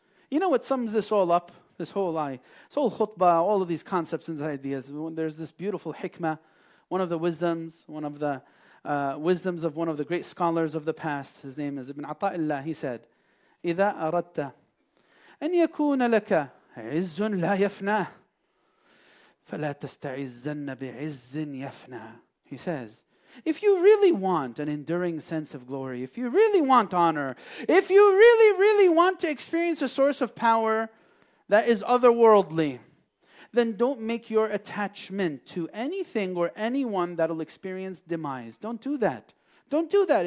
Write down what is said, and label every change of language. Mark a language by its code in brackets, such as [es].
[en] You know what sums this all up? This whole khutbah, all of these concepts and ideas. There's this beautiful hikmah, one of the wisdoms of one of the great scholars of the past. His name is Ibn Ata'illah. He said, [ar] إِذَا أَرَدْتَ أن يكون لك عز لا يفنى فلا تستعزن بعز يفنى. [en] He says, if you really want an enduring sense of glory, if you really want honor, if you really, really want to experience a source of power that is otherworldly, then don't make your attachment to anything or anyone that'll experience demise. Don't do that. Don't do that.